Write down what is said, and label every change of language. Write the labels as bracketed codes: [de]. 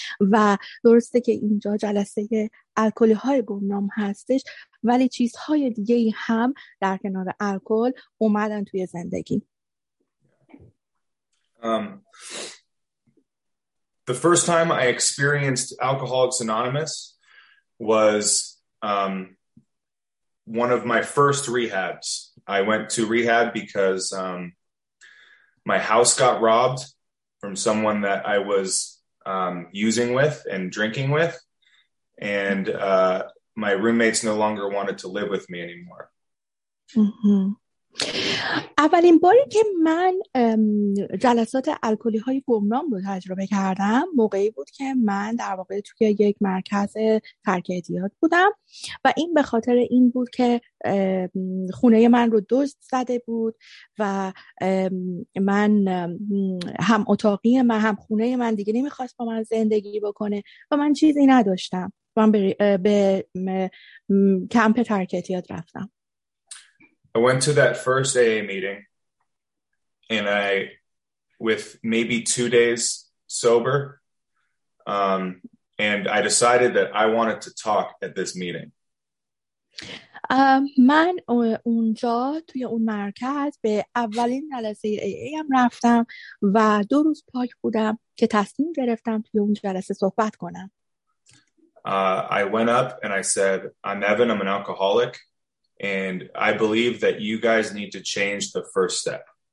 [fa] و درسته که اینجا جلسه الکلی های گمنام هستش، ولی چیزهای دیگه هم در کنار الکل اومدن توی زندگی. [en] The first time I experienced Alcoholics Anonymous was one of my first rehabs. I went to rehab because my house got robbed from someone that I was using with and drinking with. And my roommates no longer wanted to live with me anymore. Mm-hmm. [fa] اولین باری که من جلسات الکلی های گمنام رو تجربه کردم موقعی بود که من در واقع توی یک مرکز ترک اعتیاد بودم و این به خاطر این بود که خونه من رو دزد زده بود و من هم اتاقی من هم خونه من دیگه نمیخواست با من زندگی بکنه و من چیزی نداشتم و من به کمپ ترک اعتیاد رفتم. [en] I went to that first AA meeting, and I, with maybe 2 days sober, and I decided that I wanted to talk at this meeting. [fa] من اونجا توی اون مرکز به اولین جلسه AA هم رفتم و 2 روز پاک بودم که تصمیم گرفتم توی اون جلسه صحبت کنم. [en] I went up and I said, I'm Evan, I'm an alcoholic, and I believe that you guys need to change the first step.